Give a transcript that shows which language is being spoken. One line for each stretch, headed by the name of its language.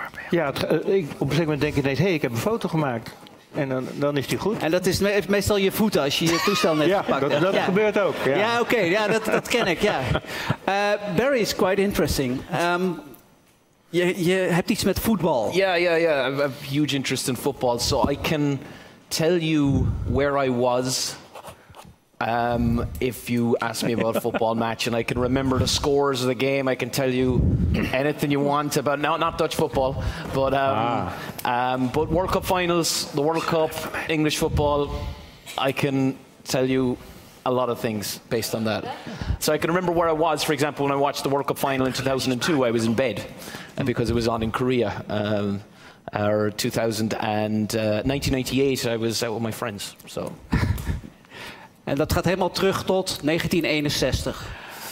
Dutch: Ja, op een gegeven moment denk je ineens, ik heb een foto gemaakt. En dan is die goed. En dat is meestal je voeten als je je toestel net gepakt hebt. Dat gebeurt ook. Ja, ja oké. Okay. Ja, dat ken ik, ja.
English: Barry is quite interesting.
Dutch: Je hebt iets met voetbal.
English: Ja. I have huge interest in football. So I can tell you where I was. If you ask me about a football match, and I can remember the scores of the game, I can tell you anything you want about not Dutch football, but but World Cup finals, the World Cup, English football, I can tell you a lot of things based on that. So I can remember where I was. For example, when I watched the World Cup final in 2002, I was in bed, and because it was on in Korea. Or 1998, I was out with my friends. So.
Dutch: En dat gaat helemaal terug tot 1961.